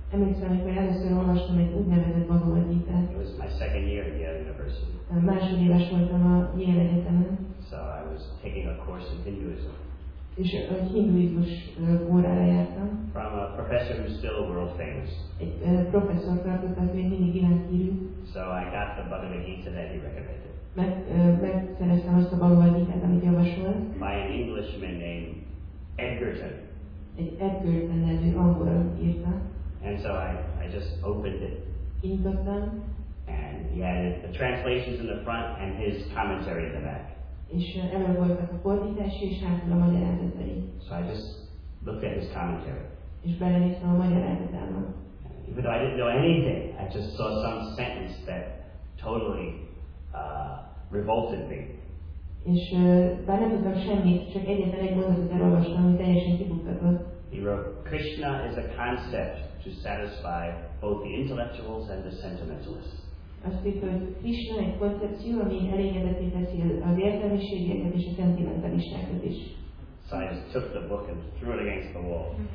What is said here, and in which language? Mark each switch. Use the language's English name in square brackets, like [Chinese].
[Hungarian] Emlékszem, hogy először olvastam egy úgynevezett Bhagavad Gitát. [English] It was my second year at Yale University. [Hungarian] Másodéves voltam a Yale Egyetemen. [English] So I was taking a course in Hinduism. [Hungarian] És a hinduizmus órára jártam. [English] From a professor who's still world famous. [Hungarian] Egy professzor tartott, az még mindig világhírű. [English] So I got the Bhagavad Gita that he recommended. [Hungarian] Megszereztem azt a Bhagavad Gitát, amit javasolt. [English] By an Englishman named Edgerton. [Hungarian] Egy Edgerton nevű angol írta. [English] And so I just opened it. [Hungarian] Kintottam. [English] And he added the translations in the front and his commentary in the back. [Hungarian] És ebben voltak a fordítási és hátul a magyarázatai. [English] So I just looked at his commentary. [Hungarian] És belenéztem a magyarázatába. [English] Even though I didn't know anything, I just saw some sentence that totally revolted me. [Hungarian] És bár nem tudtam semmit, csak egyetlen egy mondatot elolvastam, ami teljesen kibukkatott. [English] He wrote, Krishna is a concept to satisfy both the intellectuals and the sentimentalists. So I just took the book and threw it against the wall.